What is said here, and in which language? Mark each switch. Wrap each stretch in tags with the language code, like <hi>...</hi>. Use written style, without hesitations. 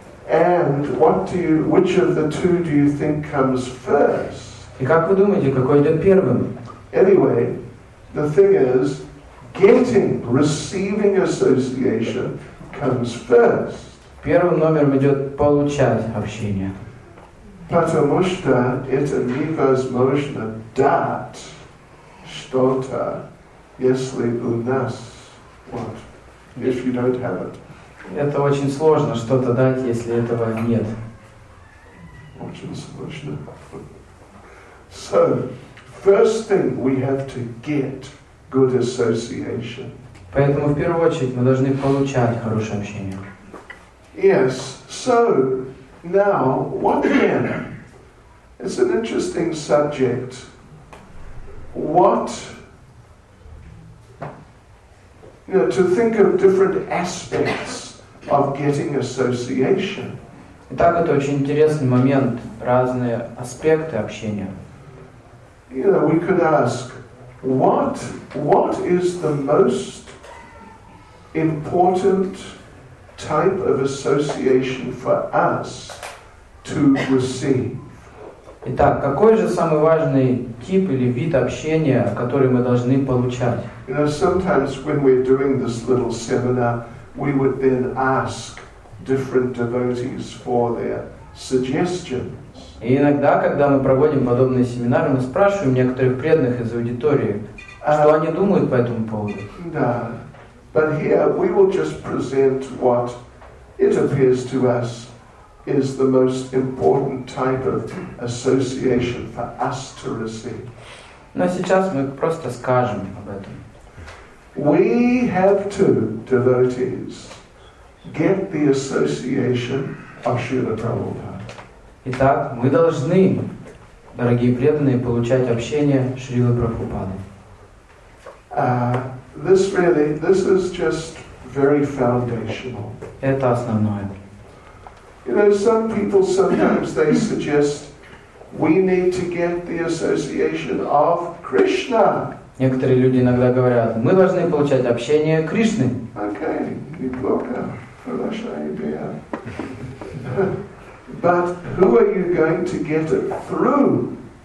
<en>And what do you, which of the two do you think comes first?</en> <ru>И как вы думаете, какой идет первым?</ru> <en>Anyway, the thing is, getting, receiving association comes first.</en> <ru>Первым номером идет получать общение. Потому что это невозможно дать что-то, если у нас, what,</ru> <en>if you don't have it.</en> <ru>Это очень сложно что-то дать, если этого нет. Очень сложно.</ru> <en>So, first thing we have to get good association.</en> <ru>Поэтому в первую очередь мы должны получать хорошее общение.</ru> <en>Yes. So now what then? It's an interesting subject. What, you know, to think of different aspects of getting association.</en> <ru>Итак, это очень интересный момент, разные аспекты общения.</ru> <en>You know, we could ask, what is the most important type of association for us to receive?</en> <ru>Итак, какой же самый важный тип или вид общения, который мы должны получать?</ru> <en>You know, sometimes when we're doing this little seminar, we would then ask different devotees for their suggestions.</en> <ru>И иногда, когда мы проводим подобные семинары, мы спрашиваем некоторых преданных из аудитории, что они думают по этому поводу. Да.</ru> <en>But here we will just present what it appears to us is the most important type of association for us to receive.</en> <ru>Но сейчас мы просто скажем об этом.</ru> <en>We have to, devotees, get the association of Srila Prabhupada.</en> <ru>Итак, мы должны, дорогие преданные, получать общение Шрилы Прабхупады.</ru> <en>This really, this is just very foundational.</en> <ru>Это основное.</ru> <en>You know, some people sometimes they suggest we need to get the association of Krishna.</en> <ru>Некоторые люди иногда говорят, мы должны получать общение Кришны. Окей, неплохо. Хорошая идея.</ru> <en>But who are you going to get it through?</en>